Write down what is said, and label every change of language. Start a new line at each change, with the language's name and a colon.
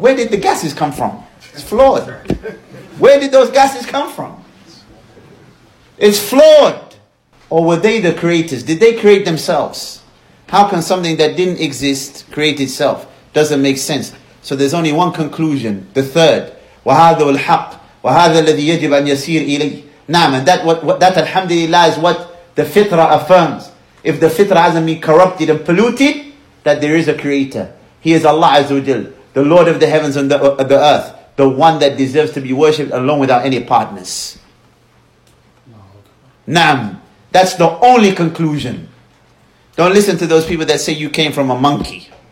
English: Where did the gases come from? It's flawed. Where did those gases come from? It's flawed. Or were they the creators? Did they create themselves? How can something that didn't exist create itself? Doesn't make sense. So there's only one conclusion, the third.
Arabic: وَهَذَا الْحَقِّ وَهَذَا الَّذِي يَجِبْ أَنْ يَسِيرْ إِلَيْهِ نعم,
English: and that alhamdulillah is what the fitrah affirms. If the fitrah hasn't been corrupted and polluted, that there is a creator. He is Allah Azza wa Jal, the Lord of the heavens and the earth, the one that deserves to be worshipped alone without any partners. Nam, that's the only conclusion. Don't listen to those people that say you came from a monkey.